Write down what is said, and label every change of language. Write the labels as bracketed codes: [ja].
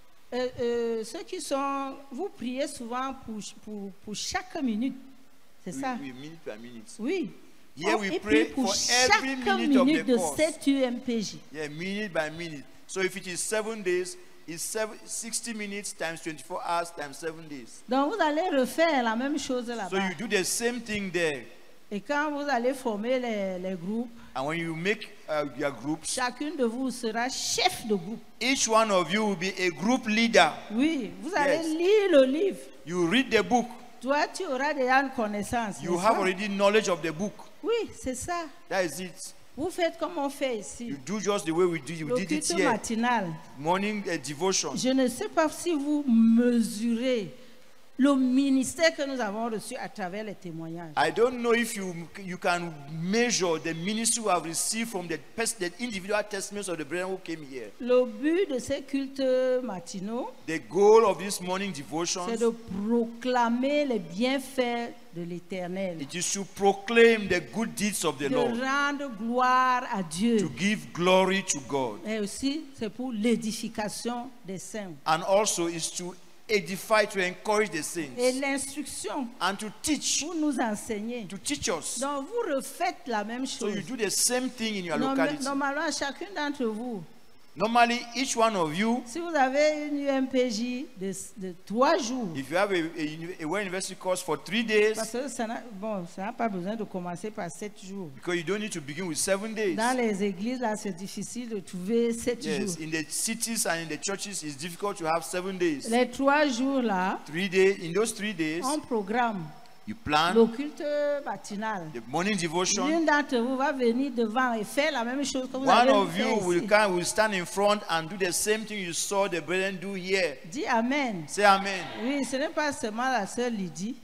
[fr] Ceux qui sont, vous priez souvent pour chaque minute, c'est oui, ça? Oui, minute par minute. Oui. [en] Here we pray for every minute of the course. Yeah, minute by minute. So if it is 7 days, it's 60 minutes times 24 hours times 7 days. [fr] Donc vous allez refaire la même chose là-bas. [en] So you do the same thing there. [fr] Et quand vous allez former les groupes, [en] and when you make your groups, [fr] chacune de vous sera chef de groupe. [en] Each one of you will be a group leader. [fr] Oui, vous allez lire le livre. [en] You read the book. [fr] Toi, tu auras déjà une connaissance. [en] You have already knowledge of the book. [fr] Oui, c'est ça. [en] That is it. [fr] Vous faites comme on fait ici. [en] You do just the way we do. You did it here. [fr] Matinal. [en] Morning devotion. [fr] Je ne sais pas si vous mesurez le ministère que nous avons reçu à travers les témoignages. [en] I don't know if you can measure the ministry we have received from the individual testimonies of the brethren who came here. [fr] Le but de ces cultes matinaux. [en] The goal of this morning devotion. [fr] C'est de proclamer les bienfaits de l'Éternel. [en] It is to proclaim the good deeds of the Lord. [fr] De rendre gloire à Dieu. [en] To give glory to God. [fr] Et aussi, c'est pour l'édification des saints. [en] And also, is to edify, to encourage the saints. [fr] Et l'instruction. [en] And to teach. [fr] Pour nous enseigner. [en] To teach us. [fr] Donc vous refaites la même chose. [en] So you do the same thing in your locality. [fr] Normalement, chacun d'entre vous. [en] Normally, each one of you. [fr] Si vous avez une UMPG de 3 jours. [en] If you have a university course for 3 days. [fr] Parce que ça n'a pas besoin de commencer par 7 jours. [en] Because you don't need to begin with 7 days. [fr] Dans les églises, là, c'est difficile de trouver 7 jours. [en] Yes, in the cities and in the churches, it's difficult to have 7 days. [fr] Les 3 jours là. [en] 3 days. In those 3 days. [fr] On programme. [en] You plan. [fr] Le culte matinal. [en] The morning devotion. [fr] L'une d'entre vous va venir devant et faire la même chose que vous avez fait. [en] One of you will stand in front and do the same thing you saw the brethren do here. [fr] Dis amen. [en] Say amen. [fr] Oui, ce n'est pas seulement la sœur Lydie.